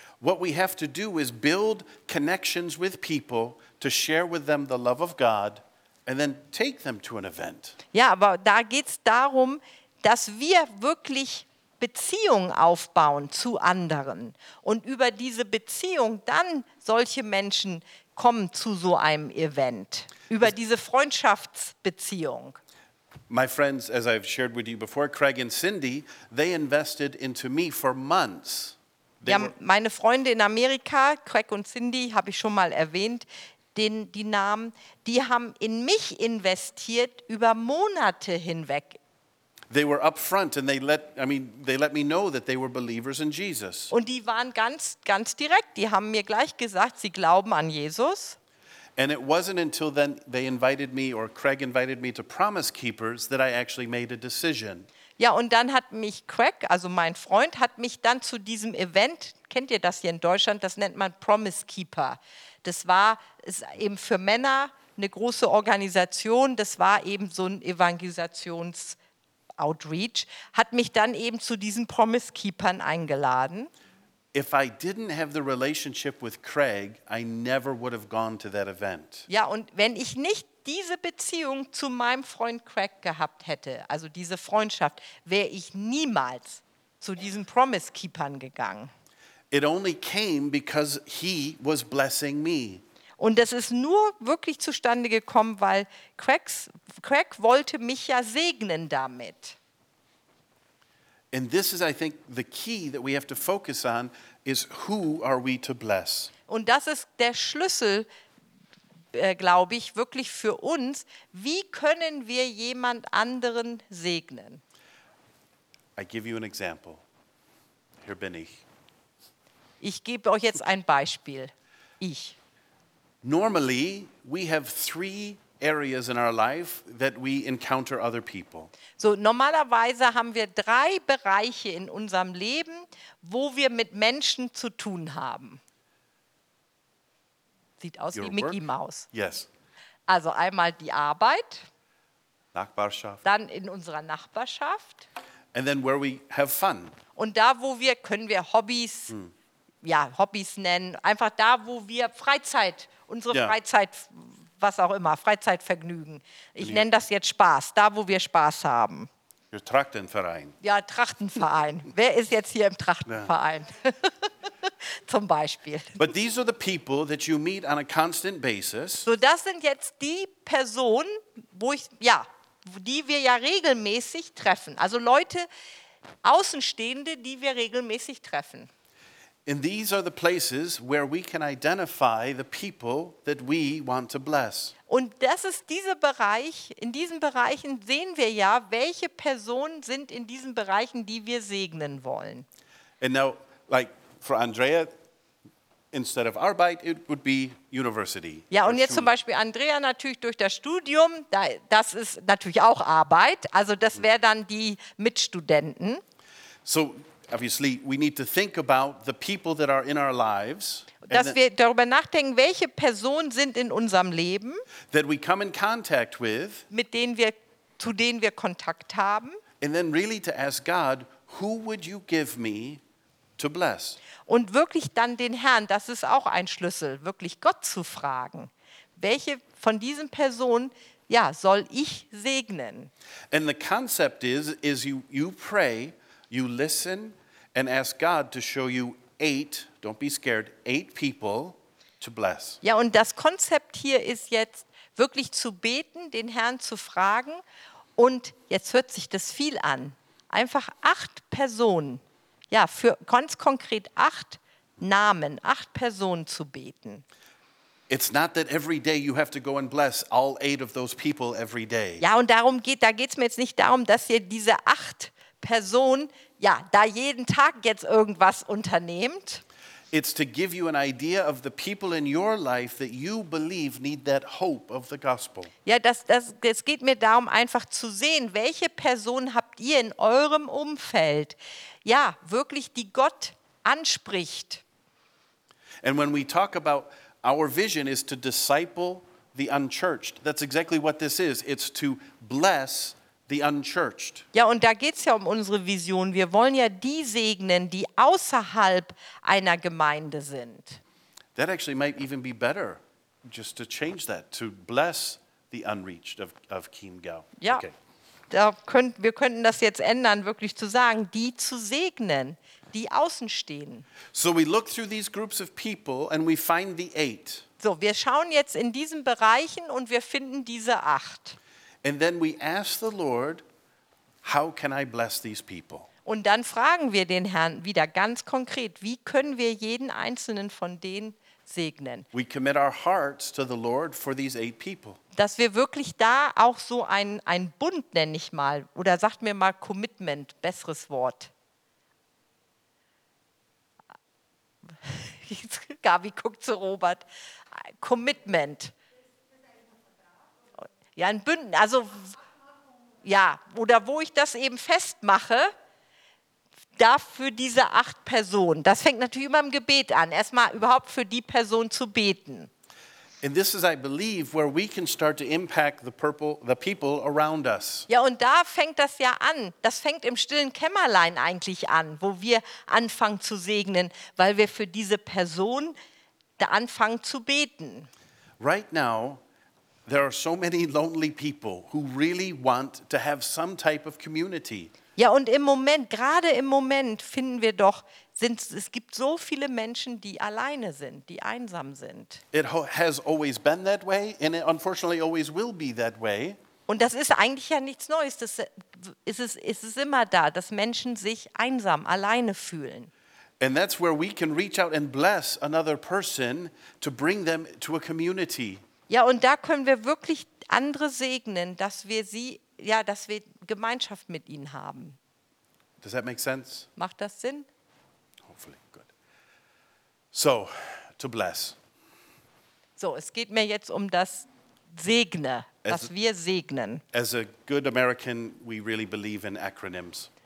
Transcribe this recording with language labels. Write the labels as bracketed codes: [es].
[en] What we have to do is build connections with people to share with them the love of God and then take them to an event. [de] Ja, aber da geht's darum, dass wir wirklich Beziehungen aufbauen zu anderen und über diese Beziehung dann solche Menschen kommen zu so einem Event, über diese Freundschaftsbeziehung. [en] My friends, as I've shared with you before, Craig and Cindy, they invested into me for months. [de] Ja, meine Freunde in Amerika, Craig und Cindy, habe ich schon mal erwähnt, die Namen, die haben in mich investiert über Monate hinweg. [en] They were up front and they let me know that they were believers in Jesus. [de] Und die waren ganz ganz direkt, die haben mir gleich gesagt, sie glauben an Jesus. [en] And it wasn't until then they invited me or Craig invited me to Promise Keepers that I actually made a decision. [de] Ja, und dann hat mich Craig, also mein Freund, hat mich dann zu diesem Event, kennt ihr das hier in Deutschland, das nennt man Promise Keeper. Das war eben für Männer eine große Organisation, das war eben so ein Evangelisations Outreach, hat mich dann eben zu diesen Promise Keepern eingeladen. [en] If I didn't have the relationship with Craig, I never would have gone to that event. [de] Ja, und wenn ich nicht diese Beziehung zu meinem Freund Craig gehabt hätte, also diese Freundschaft, wäre ich niemals zu diesen Promise Keepern gegangen. [en] It only came because he was blessing me. [de] Und das ist nur wirklich zustande gekommen, weil Craig wollte mich ja segnen damit. [en] And this is, I think, the key that we have to focus on is who are we to bless? [de] Und das ist der Schlüssel, glaube ich, wirklich für uns. Wie können wir jemand anderen segnen? [en] I give you an example. [de] Hier bin ich. Ich gebe euch jetzt ein Beispiel. Ich. [en] Normally, we have three areas in our life that we encounter other people. [de] So, normalerweise haben wir drei Bereiche in unserem Leben, wo wir mit Menschen zu tun haben. Sieht aus [en] Your [de] wie [en] work? [de] Mickey Maus. [en] Yes. [de] Also einmal die Arbeit. Nachbarschaft. Dann in unserer Nachbarschaft. [en] And then where we have fun. [de] Und da, wo wir, können wir Hobbys, ja, Hobbys nennen. Einfach da, wo wir Freizeit Unsere yeah. Freizeit, was auch immer, Freizeitvergnügen. Ich nenne das jetzt Spaß, da, wo wir Spaß haben. Der Trachtenverein. Ja, Trachtenverein. Wer ist jetzt hier im Trachtenverein? Yeah. Zum Beispiel. [en] But these are the people that you meet on a constant basis. [de] So, das sind jetzt die Personen, wo ich, ja, die wir ja regelmäßig treffen. Also Leute, Außenstehende, die wir regelmäßig treffen. [en] And these are the places where we can identify the people that we want to bless. [de] Und das ist dieser Bereich, in diesen Bereichen sehen wir ja, welche Personen sind in diesen Bereichen, die wir segnen wollen. [en] And now, like for Andrea, instead of Arbeit, it would be university. [de] Ja, und jetzt zum Beispiel Andrea natürlich durch das Studium, das ist natürlich auch Arbeit, also das wäre dann die Mitstudenten. [en] So, obviously, we need to think about the people that are in our lives. [de] Dass wir darüber nachdenken, welche Personen sind in unserem Leben. [en] That we come in contact with. [de] Mit denen wir, zu denen wir Kontakt haben. [en] And then really to ask God, who would you give me to bless? [de] Und wirklich dann den Herrn, das ist auch ein Schlüssel, wirklich Gott zu fragen. Welche von diesen Personen, ja, soll ich segnen? [en] And the concept is you pray, you listen and ask God to show you 8, don't be scared, 8 people. to bless. [de] Ja, und das Konzept hier ist jetzt wirklich zu beten, den Herrn zu fragen. Und jetzt hört sich das viel an. Einfach 8 Personen, ja, für ganz konkret 8 Namen, 8 Personen zu beten. [en] It's not that every day you have to go and bless all 8 of those people every day. [de] Ja, und darum geht, da geht's mir jetzt nicht darum, dass ihr diese 8 Personen, ja, da jeden Tag jetzt irgendwas unternehmt. [en] It's to give you an idea of the people in your life that you believe need that hope of the gospel. [de] Ja, es geht mir darum, einfach zu sehen, welche Personen habt ihr in eurem Umfeld, ja, wirklich, die Gott anspricht. [en] And when we talk about our vision is to disciple the unchurched. That's exactly what this is. It's to bless the unchurched. [de] Ja, und da geht's ja um unsere Vision. Wir wollen ja die segnen, die außerhalb einer Gemeinde sind. [en] That actually might even be better, just to change that, to bless the unreached of Chiemgau. [de] Ja, okay. Wir könnten das jetzt ändern, wirklich zu sagen, die zu segnen, die außen stehen. [en] So we look through these groups of people and we find the 8. [de] So, wir schauen jetzt in diesen Bereichen und wir finden diese 8. [en] And then we ask the Lord, how can I bless these people? [de] Und dann fragen wir den Herrn wieder ganz konkret, wie können wir jeden einzelnen von denen segnen? [en] We commit our hearts to the Lord for these 8 people. [de] Dass wir wirklich da auch so ein Bund, nenne ich mal, oder sagt mir mal Commitment, besseres Wort. Gabi guckt zu Robert. Commitment. Ja, ein Bünden, also, ja, oder wo ich das eben festmache, dafür diese 8 Personen. Das fängt natürlich immer im Gebet an, erstmal überhaupt für die Person zu beten. [en] And this is, I believe, where we can start to impact the people around us. [de] Ja, und da fängt das ja an. Das fängt im stillen Kämmerlein eigentlich an, wo wir anfangen zu segnen, weil wir für diese Person da anfangen zu beten. [en] Right now, there are so many lonely people who really want to have some type of community. [de] Ja, und im Moment, gerade im Moment, finden wir doch, es gibt so viele Menschen, die alleine sind, die einsam sind. [en] It has always been that way, and it unfortunately always will be that way. [de] Und das ist eigentlich ja nichts Neues. Das ist immer da, dass Menschen sich einsam, alleine fühlen. [en] And that's where we can reach out and bless another person to bring them to a community. [de] Ja, und da können wir wirklich andere segnen, dass wir sie, ja, dass wir Gemeinschaft mit ihnen haben. [en] Does that make sense? [de] Macht das Sinn? [en] Hopefully, good. So, to bless. [de] So, es geht mir jetzt um das Segne, dass wir segnen. [en] As a good American, we really believe in acronyms.